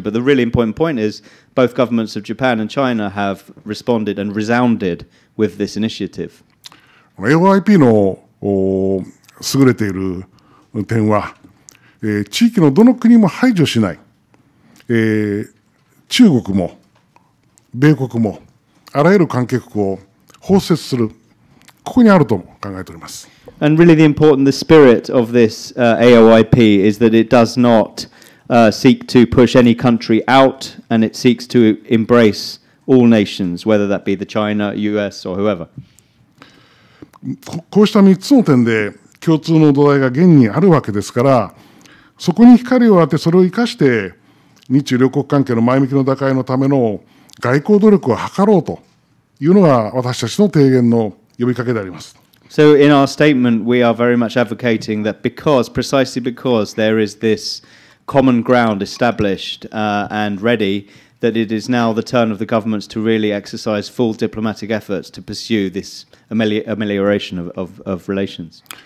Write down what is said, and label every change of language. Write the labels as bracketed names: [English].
[English] But the really important point is both governments of Japan and China have responded and resounded with this initiative. [Japanese] AOIP の優れている点は、地域のどの国も排除しない、中国も米国もあらゆる関係国を包摂する、ここにあると考えております。 [English] And really the spirit of this AOIP is that it does not seek to push any country out, and it seeks to embrace all nations, whether that be the China, US, or whoever. [Japanese] こうした3つの点で共通の土台が現にあるわけですから、そこに光を当て、それを生かして日中両国関係の前向きの打開のための外交努力を図ろうというのが私たちの提言の呼びかけであります。 [English] So in our statement, we are very much advocating that because, precisely because there is this common ground established, and ready, that it is now the turn of the governments to really exercise full diplomatic efforts to pursue this amelioration of relations.